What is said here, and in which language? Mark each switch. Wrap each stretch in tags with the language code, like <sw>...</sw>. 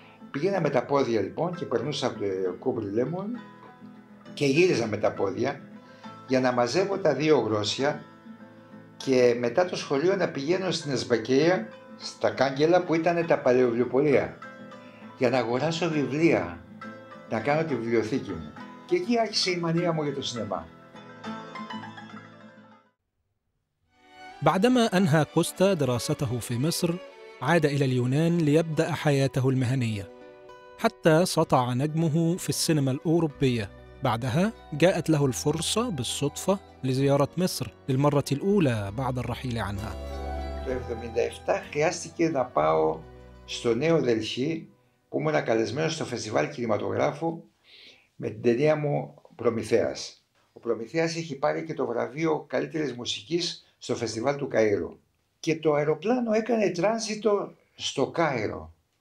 <el>Πήγαινα με τα πόδια λοιπόν και περνούσα από το Κούμπρι Λέμον και γύριζα με τα πόδια για να μαζεύω τα 2 γρόσια και μετά το σχολείο να πηγαίνω στην Εσβακέα, στα Κάγκελα που ήταν τα παλαιοβιβλιοπολία, για να αγοράσω βιβλία, να κάνω τη βιβλιοθήκη μου. Και εκεί άρχισε η μανία μου για το σινεμά.</el> <ar>بعدما أنهى كوستا دراسته في مصر عاد إلى اليونان ليبدأ حياته المهنية حتى سطع نجمه في السينما الأوروبية بعدها جاءت له الفرصة بالصدفة لزيارة مصر للمرة الأولى بعد الرحيل عنها في</ar> <el>1977 χρειάστηκε να πάω στο νέο Δελχή που ήμουν καλεσμένος στο φεστιβάλ κινηματογράφου με την ταινία μου Προμηθέας. Ο Προμηθέας είχε πάρει και το βραβείο καλύτερης μουσικής στο φεστιβάλ του Καΐρου. Και το αεροπλάνο έκανε τράνζιτο στο Κάιρο.</el>